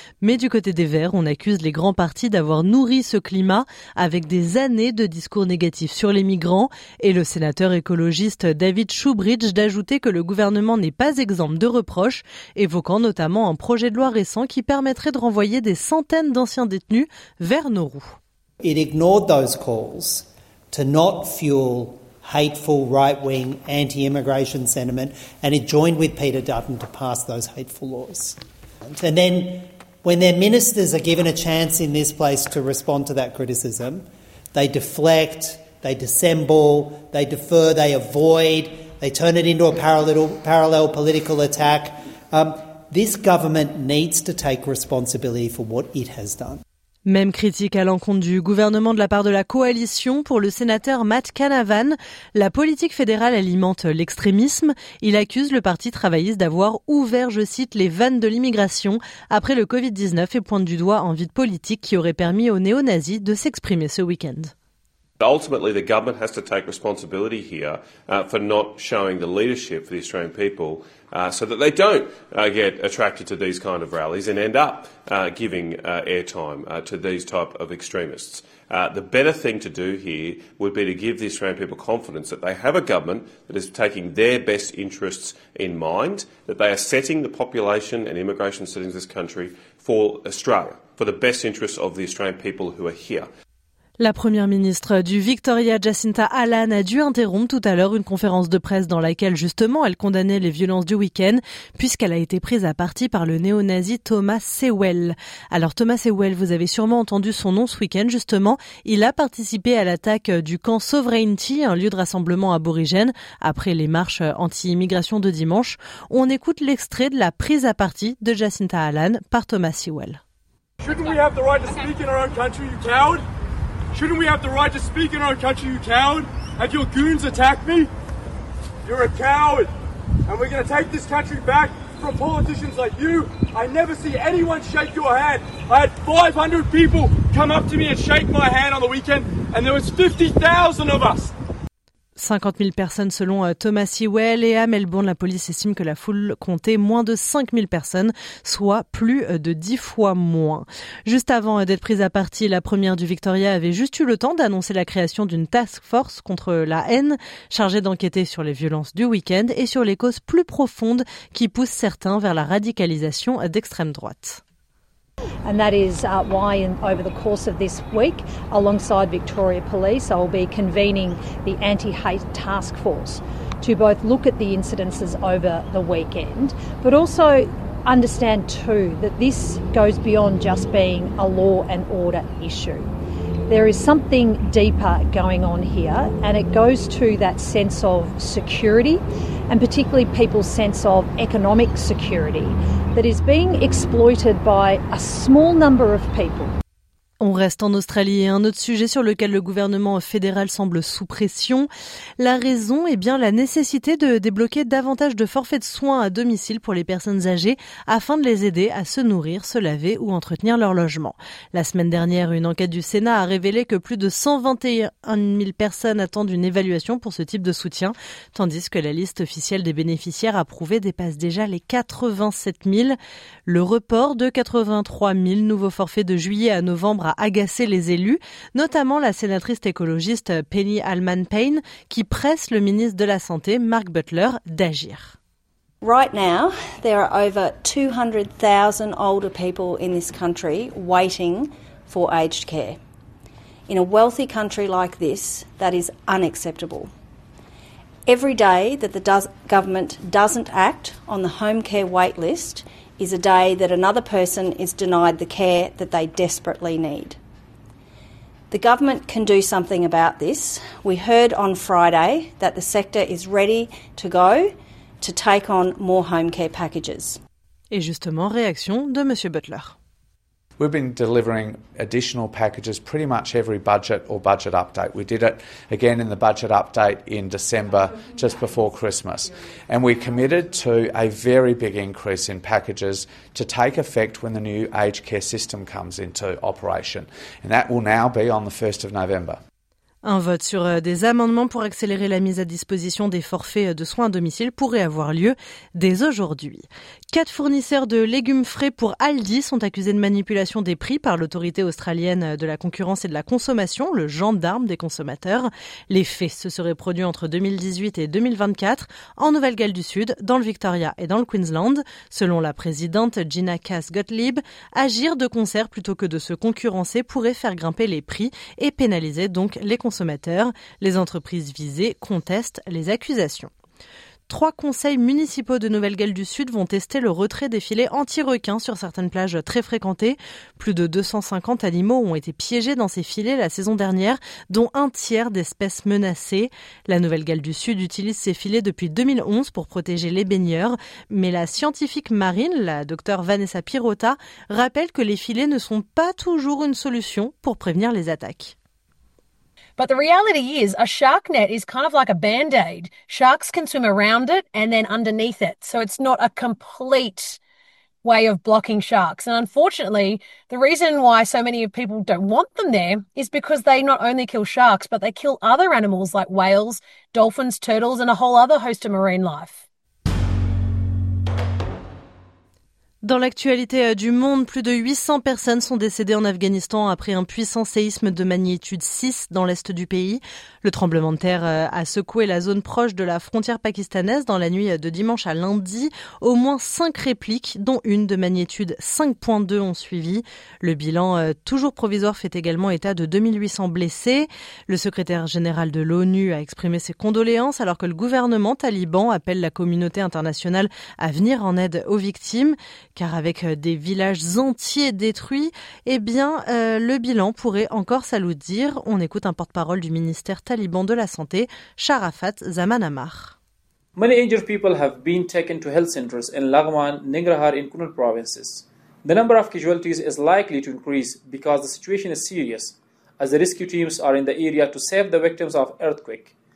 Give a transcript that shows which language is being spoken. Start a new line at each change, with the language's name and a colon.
French: Mais du côté des Verts, on accuse les grands partis d'avoir nourri ce climat avec des années de discours négatifs sur les migrants. Et le sénateur écologiste David Shoebridge d'ajouter que le gouvernement n'est pas exempt de reproches, évoquant notamment un projet de loi récent qui permettrait de renvoyer des centaines d'anciens détenus vers Nauru.
English: It ignored those calls to not fuel hateful right-wing anti-immigration sentiment, and it joined with Peter Dutton to pass those hateful laws. And then when their ministers are given a chance in this place to respond to that criticism, they deflect, they dissemble, they defer, they avoid, they turn it into a parallel political attack. This government needs to take responsibility for what it has done.
French: Même critique à l'encontre du gouvernement de la part de la coalition pour le sénateur Matt Canavan. La politique fédérale alimente l'extrémisme. Il accuse le parti travailliste d'avoir ouvert, je cite, les vannes de l'immigration après le Covid-19 et pointe du doigt un vide politique qui aurait permis aux néo-nazis de s'exprimer ce week-end.
English: Ultimately, the government has to take responsibility here for not showing the leadership for the Australian people so that they don't get attracted to these kind of rallies and end up giving airtime to these type of extremists. The better thing to do here would be to give the Australian people confidence that they have a government that is taking their best interests in mind, that they are setting the population and immigration settings in this country for Australia, for the best interests of the Australian people who are here.
French: La première ministre du Victoria, Jacinta Allan, a dû interrompre tout à l'heure une conférence de presse dans laquelle justement elle condamnait les violences du week-end, puisqu'elle a été prise à partie par le néo-nazi Thomas Sewell. Alors Thomas Sewell, vous avez sûrement entendu son nom ce week-end justement, il a participé à l'attaque du camp Sovereignty, un lieu de rassemblement aborigène, après les marches anti-immigration de dimanche. On écoute l'extrait de la prise à partie de Jacinta Allan par Thomas Sewell.
English: Shouldn't we have the right to speak in our own country, you coward? Shouldn't we have the right to speak in our country, you coward? Have your goons attacked me? You're a coward. And we're going to take this country back from politicians like you. I never see anyone shake your hand. I had 500 people come up to me and shake my hand on the weekend, and there was 50,000 of us.
French: 50 000 personnes selon Thomas Sewell, et à Melbourne, la police estime que la foule comptait moins de 5 000 personnes, soit plus de 10 fois moins. Juste avant d'être prise à partie, la première du Victoria avait juste eu le temps d'annoncer la création d'une task force contre la haine, chargée d'enquêter sur les violences du week-end et sur les causes plus profondes qui poussent certains vers la radicalisation d'extrême droite.
English: And that is why over the course of this week, alongside Victoria Police, I'll be convening the Anti-Hate Task Force to both look at the incidences over the weekend, but also understand too that this goes beyond just being a law and order issue. There is something deeper going on here, and it goes to that sense of security, and particularly people's sense of economic security, that is being exploited by a small number of people.
French: On reste en Australie et un autre sujet sur lequel le gouvernement fédéral semble sous pression. La raison, eh bien, la nécessité de débloquer davantage de forfaits de soins à domicile pour les personnes âgées afin de les aider à se nourrir, se laver ou entretenir leur logement. La semaine dernière, une enquête du Sénat a révélé que plus de 121 000 personnes attendent une évaluation pour ce type de soutien, tandis que la liste officielle des bénéficiaires approuvés dépasse déjà les 87 000. Le report de 83 000 nouveaux forfaits de juillet à novembre a agacé les élus, notamment la sénatrice écologiste Penny Alman-Payne, qui presse le ministre de la Santé, Mark Butler, d'agir.
English: Right now, there are over 200,000 older people in this country waiting for aged care. In a wealthy country like this, that is unacceptable. Every day that the government doesn't act on the home care wait list is a day that another person is denied the care that they desperately need. The government can do something about this. We heard on Friday that the sector is ready to go to take on more home care packages.
French: Et justement, réaction de Monsieur Butler.
English: We've been delivering additional packages pretty much every budget or budget update. We did it again in the budget update in December, just before Christmas. And we committed to a very big increase in packages to take effect when the new aged care system comes into operation. And that will now be on the 1st of November.
French: Un vote sur des amendements pour accélérer la mise à disposition des forfaits de soins à domicile pourrait avoir lieu dès aujourd'hui. Quatre fournisseurs de légumes frais pour Aldi sont accusés de manipulation des prix par l'autorité australienne de la concurrence et de la consommation, le gendarme des consommateurs. Les faits se seraient produits entre 2018 et 2024 en Nouvelle-Galles du Sud, dans le Victoria et dans le Queensland. Selon la présidente Gina Cass-Gottlieb, agir de concert plutôt que de se concurrencer pourrait faire grimper les prix et pénaliser donc les consommateurs. Les entreprises visées contestent les accusations. Trois conseils municipaux de Nouvelle-Galles du Sud vont tester le retrait des filets anti-requins sur certaines plages très fréquentées. Plus de 250 animaux ont été piégés dans ces filets la saison dernière, dont un tiers d'espèces menacées. La Nouvelle-Galles du Sud utilise ces filets depuis 2011 pour protéger les baigneurs. Mais la scientifique marine, la docteure Vanessa Pirota, rappelle que les filets ne sont pas toujours une solution pour prévenir les attaques.
English: But the reality is a shark net is kind of like a band-aid. Sharks can swim around it and then underneath it. So it's not a complete way of blocking sharks. And unfortunately, the reason why so many of people don't want them there is because they not only kill sharks, but they kill other animals like whales, dolphins, turtles, and a whole other host of marine life.
French: Dans l'actualité du monde, plus de 800 personnes sont décédées en Afghanistan après un puissant séisme de magnitude 6 dans l'est du pays. Le tremblement de terre a secoué la zone proche de la frontière pakistanaise dans la nuit de dimanche à lundi. Au moins 5 répliques, dont une de magnitude 5.2, ont suivi. Le bilan, toujours provisoire, fait également état de 2800 blessés. Le secrétaire général de l'ONU a exprimé ses condoléances alors que le gouvernement taliban appelle la communauté internationale à venir en aide aux victimes. Car avec des villages entiers détruits, eh bien, le bilan pourrait encore s'alourdir. On écoute un porte-parole du ministère taliban de la Santé, Sharafat Zamanamar.
English: Many injured people have been taken to health centers in Laghman, Nangarhar and Kunar provinces. The number of casualties is likely to increase because the situation is serious, as the rescue teams are in the area to save the victims of earthquake.